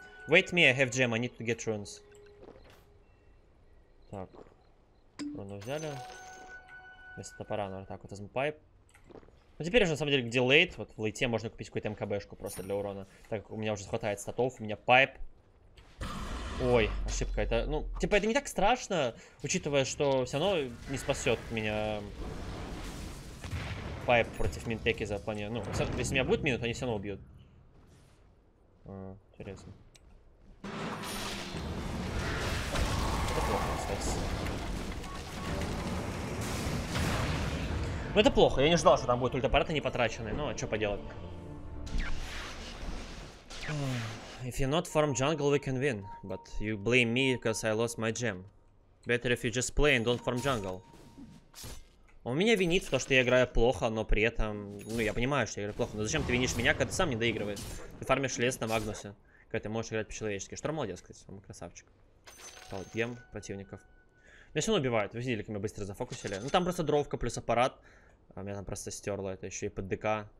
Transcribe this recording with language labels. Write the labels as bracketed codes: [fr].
[en] Wait me, I have gem, I need to get runes. [ru] Так. Руну взяли. Вместо топора, наверное, так вот возьму пайп. Ну теперь уже на самом деле где лейт. Вот в лейте можно купить какую-то МКБшку просто для урона. Так как у меня уже хватает статов, у меня пайп. Ой, ошибка. Это, ну, типа это не так страшно, учитывая, что все равно не спасет меня пайп против минтеки за плане. Ну, если у меня будет минут, они все равно убьют. Интересно. Это плохо, кстати. Ну это плохо, я не ждал, что там будет ульт аппарата не потраченный, но что поделать. [en] If you not farm jungle, we can win. But you blame me, because I lost my gem. Better if you just play and don't farm jungle. [ru] Он меня винит в том, что я играю плохо, но при этом... Ну, я понимаю, что я играю плохо, но зачем ты винишь меня, когда ты сам не доигрываешь? Ты фармишь лес на Магнусе, когда ты можешь играть по-человечески. Шторм молодец, кстати, он красавчик. Вот, ем противников. Меня все равно убивают, вы видели, как меня быстро зафокусили. Ну, там просто дровка плюс аппарат. А меня там просто стерло, это еще и под ДК.